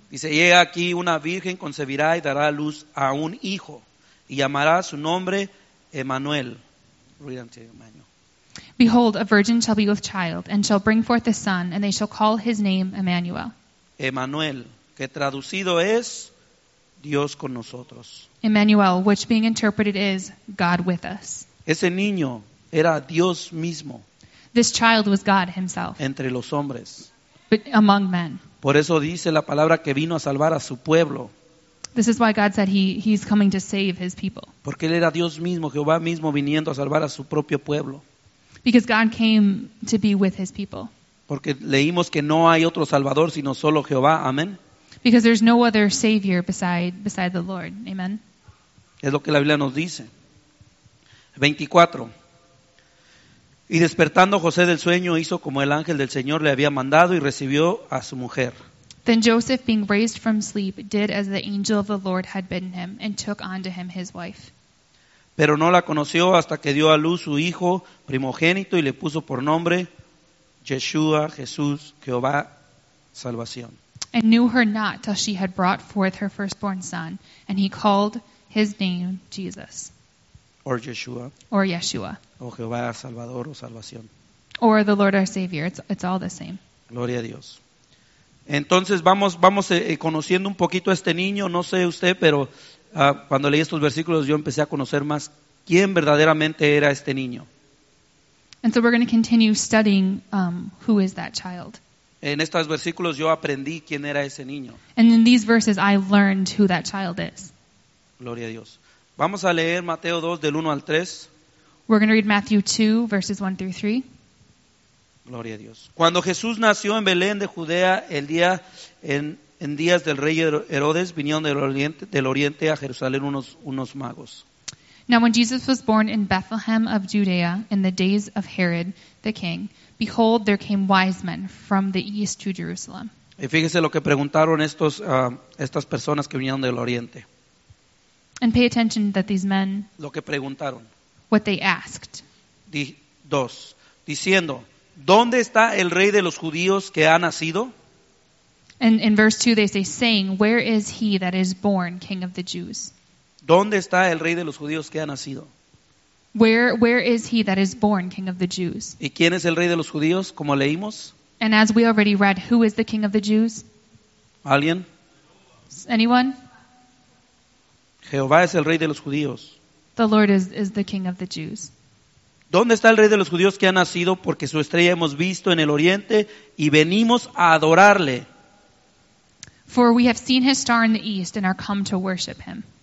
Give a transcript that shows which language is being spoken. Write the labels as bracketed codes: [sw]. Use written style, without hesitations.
[es] Dice, y aquí una virgen concebirá y dará a luz a un hijo y llamará su nombre Emmanuel. [en] Read unto you, Emmanuel. Behold, a virgin shall be with child and shall bring forth a son and they shall call his name Emmanuel. [es] Emmanuel, que traducido es Dios con nosotros. [en] Emmanuel, which being interpreted is God with us. [es] Ese niño era Dios mismo. [en] This child was God himself. [es] Entre los hombres. [en] But among men. [es] Por eso dice la palabra que vino a salvar a su pueblo. [en] This is why God said he's coming to save his people. [es] Porque él era Dios mismo, Jehová mismo viniendo a salvar a su propio pueblo. [en] Because God came to be with his people. [es] Porque leímos que no hay otro salvador sino solo Jehová. Amén. [en] Because there's no other savior beside the Lord. Amen. [es] Es lo que la Biblia nos dice. 24. Y despertando José del sueño hizo como el ángel del Señor le había mandado y recibió a su mujer. [en] Then Joseph, being raised from sleep, did as the angel of the Lord had bidden him and took unto him his wife. [es] Pero no la conoció hasta que dio a luz su hijo primogénito y le puso por nombre Yeshua, Jesús, Jehová, Salvación. [en] And knew her not till she had brought forth her firstborn son, and he called his name Jesus. Or Yeshua. Or Yeshua. [es] O Jehová Salvador o Salvación. [en] Or the Lord our Savior. It's all the same. [es] Gloria a Dios. Entonces vamos conociendo un poquito a este niño. No sé usted, pero cuando leí estos versículos yo empecé a conocer más quién verdaderamente era este niño. [en] And so we're going to continue studying who is that child. [es] En estos versículos yo aprendí quién era ese niño. [en] And in these verses I learned who that child is. [es] Gloria a Dios. Vamos a leer Mateo 2, del 1 al 3. [en] We're going to read Matthew 2, verses 1 through 3. [es] Gloria a Dios. Cuando Jesús nació en Belén de Judea, en días del rey Herodes, vinieron del oriente a Jerusalén unos magos. [en] Now when Jesus was born in Bethlehem of Judea, in the days of Herod the king, behold, there came wise men from the east to Jerusalem. [es] Y fíjese lo que preguntaron estas personas que vinieron del oriente. [en] And pay attention that these men, [es] lo que preguntaron, [en] what they asked. [es] Dos, diciendo, ¿dónde está el rey de los judíos que ha nacido? [en] And in verse 2 they say, saying, where is he that is born king of the Jews? [es] ¿Dónde está el rey de los judíos que ha nacido? [en] Where is he that is born king of the Jews? [es] ¿Y quién es el rey de los judíos, como leímos? [en] And as we already read, who is the king of the Jews? [es] ¿Alguien? [en] Anyone? [es] Jehová es el rey de los judíos. [en] The Lord is the king of the Jews. [es] ¿Dónde está el rey de los judíos que ha nacido? Porque su estrella hemos visto en el oriente y venimos a adorarle. [en] For we have seen his star in the east and are come to worship him.